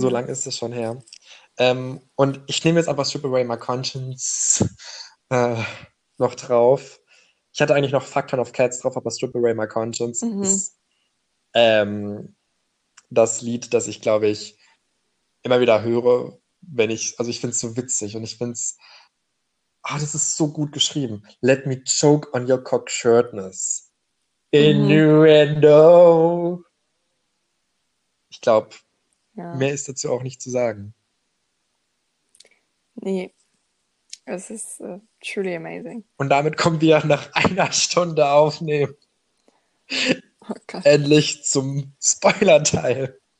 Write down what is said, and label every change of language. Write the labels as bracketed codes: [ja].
[de] So lange ist das schon her. Und ich nehme jetzt einfach Strip Away My Conscience noch drauf. Ich hatte eigentlich noch Fuck Ton of Cats drauf, aber Strip Away My Conscience ist das Lied, das ich glaube ich immer wieder höre, wenn ich, also ich finde es so witzig und ich finde es, das ist so gut geschrieben. [en] Let me choke on your cockshirtness. Innuendo. [de] Ich glaube, mehr ist dazu auch nicht zu sagen. Nee, es ist [en] truly amazing. [de] Und damit kommen wir nach einer Stunde aufnehmen. Oh Gott. Endlich zum Spoiler-Teil.